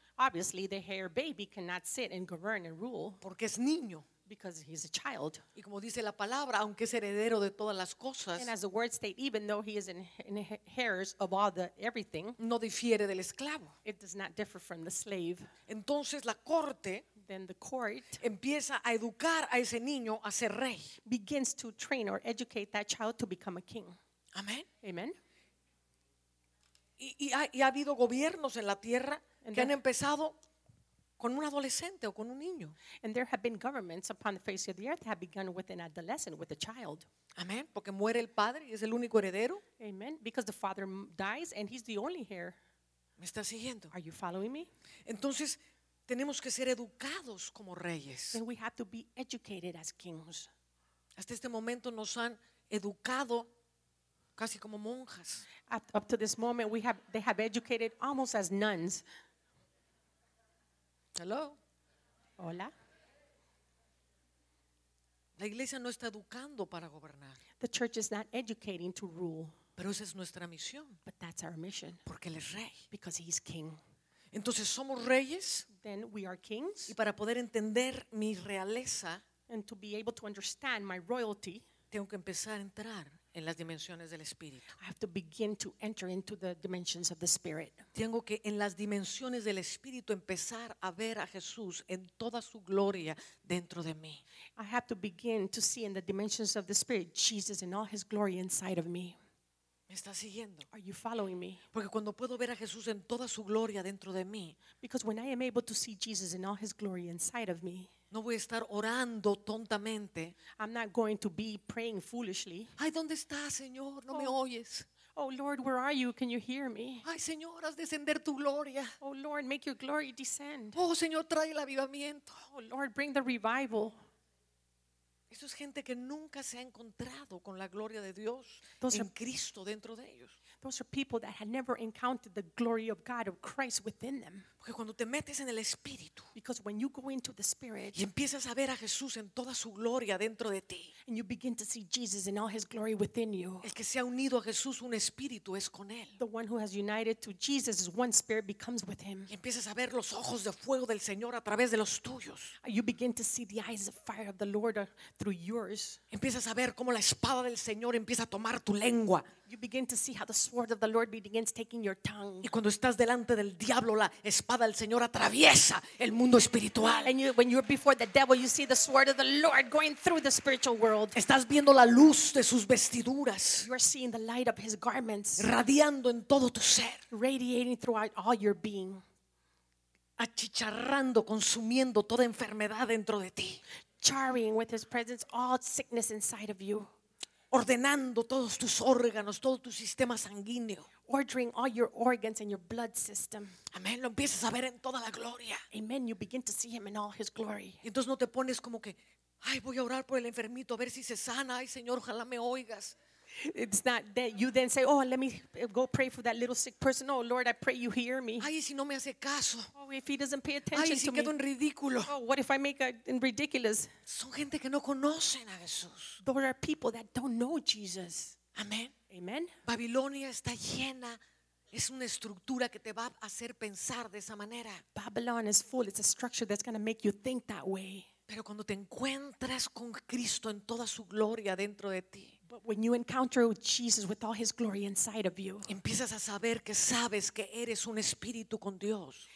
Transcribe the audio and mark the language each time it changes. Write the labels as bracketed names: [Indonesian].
[English] Obviously, the heir baby cannot sit and govern and rule. [Spanish] Porque es niño. [English] Because he's a child. [Spanish] Y como dice la palabra, aunque es heredero de todas las cosas. [English] And as the word states, even though he is inheritor of all the everything. [Spanish] No difiere del esclavo. [English] It does not differ from the slave. [Spanish] Entonces la corte. [English] Then the court. [Spanish] Empieza a educar a ese niño a ser rey. [English] Begins to train or educate that child to become a king. [Spanish] Amen. [English] Amen. [Spanish] Y ha habido gobiernos en la tierra. Que han empezado con un adolescente o con un niño. [English] And there have been governments upon the face of the earth that have begun with an adolescent, with a child. [Spanish] Amén. Porque muere el padre y es el único heredero. [English] Amen. Because the father dies and he's the only heir. [Spanish] ¿Me estás siguiendo? [English] Are you following me? [Spanish] Entonces, tenemos que ser educados como reyes. [English] Then we have to be educated as kings. [Spanish] Hasta este momento nos han educado casi como monjas. [English] Up to this moment, they have educated almost as nuns. Hello. [Spanish] Hola. La iglesia no está educando para gobernar. [English] The church is not educating to rule. [Spanish] Pero esa es nuestra misión. [English] But that's our mission. [Spanish] Porque él es rey. [English] Because he's king. [Spanish] Entonces somos reyes. [English] Then we are kings. [Spanish] Y para poder entender mi realeza, [English] and to be able to understand my royalty, [Spanish] tengo que empezar a entrar en las dimensiones del espíritu. [English] I have to begin to enter into the dimensions of the spirit. [Spanish] Tengo que en las dimensiones del espíritu empezar a ver a Jesús en toda su gloria dentro de mí. [English] I have to begin to see in the dimensions of the spirit Jesus in all his glory inside of me. [Spanish] ¿Me estás siguiendo? [English] Are you following me? [Spanish] Porque cuando puedo ver a Jesús en toda su gloria dentro de mí, [English] because when I am able to see Jesus in all his glory inside of me, [Spanish] no voy a estar orando tontamente. [English] I'm not going to be praying foolishly. [Spanish] Ay, ¿dónde estás, Señor? No me oyes. [English] Oh, Lord, where are you? Can you hear me? [Spanish] Ay, Señor, haz descender tu gloria. [English] Oh, Lord, make your glory descend. [Spanish] Oh, Señor, trae el avivamiento. [English] Oh, Lord, bring the revival. [Spanish] Eso es gente que nunca se ha encontrado con la gloria de Dios en Cristo dentro de ellos. [English] Those are people that had never encountered the glory of God, of Christ within them. [Spanish] Porque cuando te metes en el Espíritu, [English] because when you go into the Spirit, [Spanish] y empiezas a ver a Jesús en toda su gloria dentro de ti, [English] and you begin to see Jesus in all his glory within you, [Spanish] el que se ha unido a Jesús, un espíritu es con él. [English] The one who has united to Jesus, one spirit becomes with him. [Spanish] Y empiezas a ver los ojos de fuego del Señor a través de los tuyos. [English] You begin to see the eyes of fire of the Lord through yours. [Spanish] Empiezas a ver cómo la espada del Señor empieza a tomar tu lengua. [English] You begin to see how the sword of the Lord begins taking your tongue. [Spanish] Y cuando estás delante del diablo, la espada del Señor atraviesa el mundo espiritual. [English] And when you're before the devil, you see the sword of the Lord going through the spiritual world. [Spanish] Estás viendo la luz de sus vestiduras. [English] You're seeing the light of his garments. [Spanish] Radiando en todo tu ser. [English] Radiating throughout all your being. [Spanish] Achicharrando, consumiendo toda enfermedad dentro de ti. [English] charring with his presence all sickness inside of you. [Spanish] Ordenando todos tus órganos, todo tu sistema sanguíneo. [English] Ordering all your organs and your blood system. [Spanish] Amén, lo empiezas a ver en toda la gloria. [English] Amen, you begin to see him in all his glory. [Spanish] Entonces no te pones como que, ay, voy a orar por el enfermito, a ver si se sana, ay, Señor, ojalá me oigas. [English] It's not that you then say, oh, let me go pray for that little sick person. Oh, Lord, I pray you hear me. [Spanish] Ay, si no me hace caso. [English] Oh, if he doesn't pay attention [Spanish] Ay, si [English] to [Spanish] quedo [English] me. [Spanish] En ridículo. [English] Oh, what if I make it in ridiculous? [Spanish] Son gente que no conocen a Jesús. [English] There are people that don't know Jesus. [Spanish] Amen. [English] Amen. [Spanish] Babilonia está llena. Es una estructura que te va a hacer pensar de esa manera. [English] Babylon is full. It's a structure that's going to make you think that way. [Spanish] Pero cuando te encuentras con Cristo en toda su gloria dentro de ti. [English] But when you encounter Jesus with all his glory inside of you, [Spanish] empiezas a saber que sabes que eres un espíritu con Dios.